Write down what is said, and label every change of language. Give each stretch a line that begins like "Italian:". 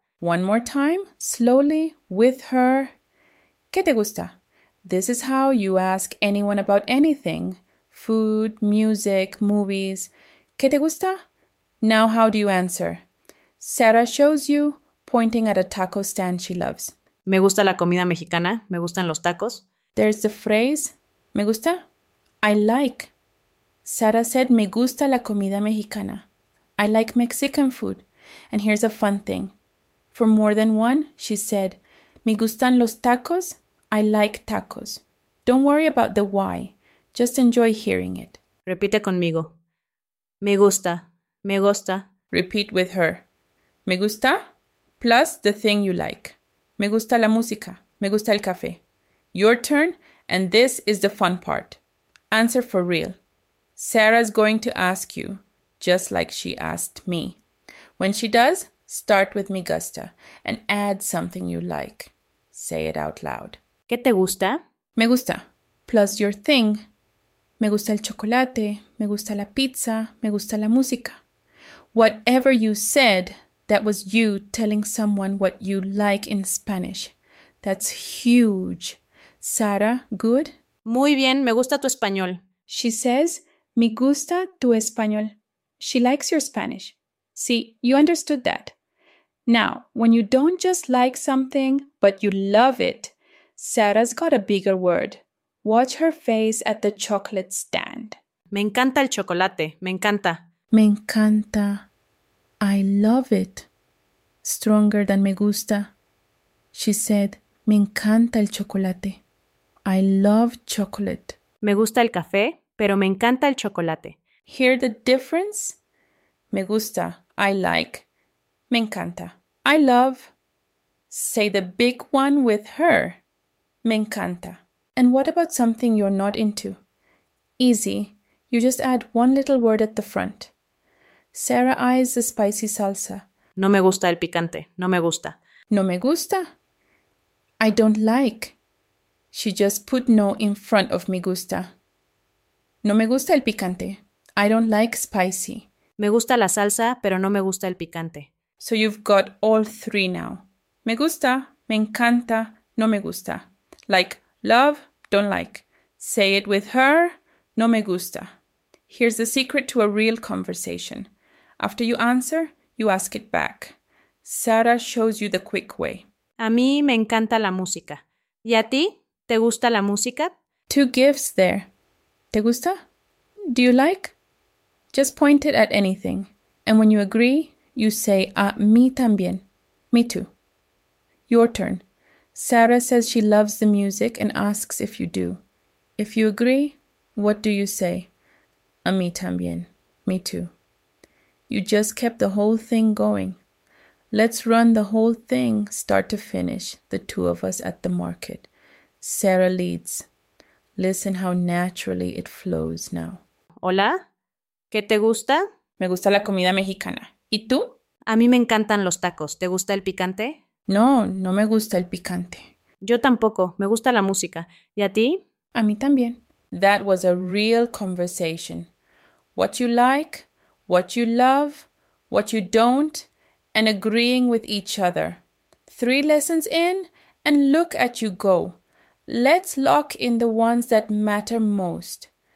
English: One more time, slowly, with her.
Spanish: ¿Qué te gusta?
English: This is how you ask anyone about anything. Food, music, movies.
Spanish: ¿Qué te gusta?
English: Now, how do you answer? Sarah shows you, pointing at a taco stand she loves.
Spanish: Me gusta la comida mexicana, me gustan los tacos.
English: There's the phrase,
Spanish: me gusta,
English: I like. Sarah said,
Spanish: me gusta la comida mexicana.
English: I like Mexican food. And here's a fun thing. For more than one, she said,
Spanish: Me gustan los tacos.
English: I like tacos. Don't worry about the why. Just enjoy hearing it.
Spanish: Repite conmigo. Me gusta, me gusta.
English: Repeat with her.
Spanish: Me gusta
English: plus the thing you like.
Spanish: Me gusta la música. Me gusta el café.
English: Your turn, and this is the fun part. Answer for real. Sarah's going to ask you, just like she asked me. When she does, start with
Spanish: mi gusta
English: and add something you like. Say it out loud.
Spanish: ¿Qué te gusta? Me gusta,
English: plus your thing.
Spanish: Me gusta el chocolate, me gusta la pizza, me gusta la música.
English: Whatever you said, that was you telling someone what you like in Spanish. That's huge. Sara, good?
Spanish: Muy bien, me gusta tu español.
English: She says,
Spanish: Me gusta tu español.
English: She likes your Spanish. See, you understood that. Now, when you don't just like something, but you love it, Sarah's got a bigger word. Watch her face at the chocolate stand.
Spanish: Me encanta el chocolate, me encanta. Me encanta.
English: I love it. Stronger than
Spanish: me gusta.
English: She said,
Spanish: Me encanta el chocolate.
English: I love chocolate.
Spanish: Me gusta el café, pero me encanta el chocolate.
English: Hear the difference?
Spanish: Me gusta.
English: I like.
Spanish: Me encanta.
English: I love. Say the big one with her.
Spanish: Me encanta.
English: And what about something you're not into? Easy. You just add one little word at the front. Sarah eyes the spicy salsa.
Spanish: No me gusta el picante, no me gusta. No me gusta.
English: I don't like. She just put no in front of
Spanish: me gusta. No me gusta el picante.
English: I don't like spicy.
Spanish: Me gusta la salsa, pero no me gusta el picante.
English: So you've got all three now.
Spanish: Me gusta, me encanta, no me gusta.
English: Like, love, don't like. Say it with her,
Spanish: no me gusta.
English: Here's the secret to a real conversation. After you answer, you ask it back. Sarah shows you the quick way.
Spanish: A mí me encanta la música. ¿Y a ti? ¿Te gusta la música?
English: Two gifts there.
Spanish: ¿Te gusta?
English: Do you like? Just point it at anything. And when you agree, you say,
Spanish: a mí también.
English: Me too. Your turn. Sarah says she loves the music and asks if you do. If you agree, what do you say?
Spanish: A mí también.
English: Me too. You just kept the whole thing going. Let's run the whole thing, start to finish, the two of us at the market. Sarah leads. Listen how naturally it flows now.
Spanish: Hola, ¿qué te gusta? Me gusta la comida mexicana. ¿Y tú? A mí me encantan los tacos. ¿Te gusta el picante? No, no me gusta el picante. Yo tampoco, me gusta la música. ¿Y a ti? A mí también.
English: That was a real conversation. What you like, what you love, what you don't, and agreeing with each other. Three lessons in, and look at you go. Let's lock in the ones that matter most.